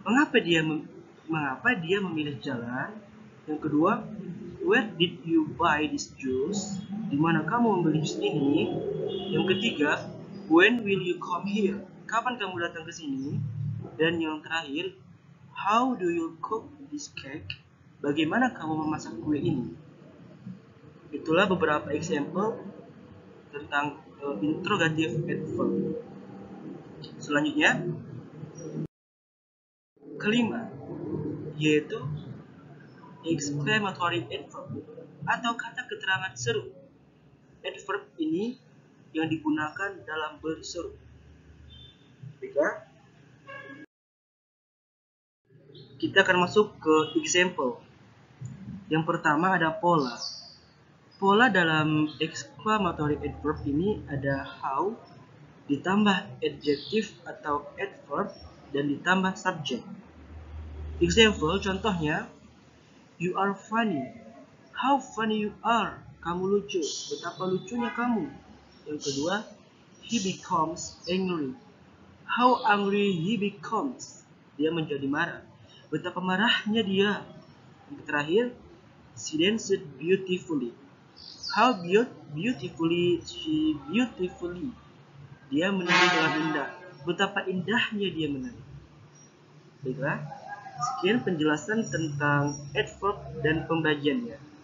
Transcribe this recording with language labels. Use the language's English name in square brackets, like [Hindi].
[Indonesian] Mengapa dia memilih jalan? Yang kedua, [English] where did you buy this juice? [Indonesian] Di mana kamu membeli jus ini? Yang ketiga, [English] when will you come here? [Indonesian] Kapan kamu datang ke sini? Dan yang terakhir, [English] how do you cook this cake? [Indonesian] Bagaimana kamu memasak kue ini? Itulah beberapa example tentang interrogative adverb. Selanjutnya, kelima, yaitu exclamatory adverb atau kata keterangan seru. Adverb ini yang digunakan dalam berseru. Tiga. Kita akan masuk ke example. Yang pertama ada pola. Pola dalam exclamatory adverb ini ada how ditambah adjective atau adverb dan ditambah subject. [English] Example, contohnya, you are funny. How funny you are. [Indonesian] Kamu lucu. Betapa lucunya kamu. Yang kedua, [English] he becomes angry. How angry he becomes. [Indonesian] Dia menjadi marah. Betapa marahnya dia. Yang terakhir, [English] she danced beautifully. How beautifully she beautifully. [Indonesian] Dia menari dengan indah. Betapa indahnya dia menari. Baiklah, sekian penjelasan tentang adverb dan pembagiannya.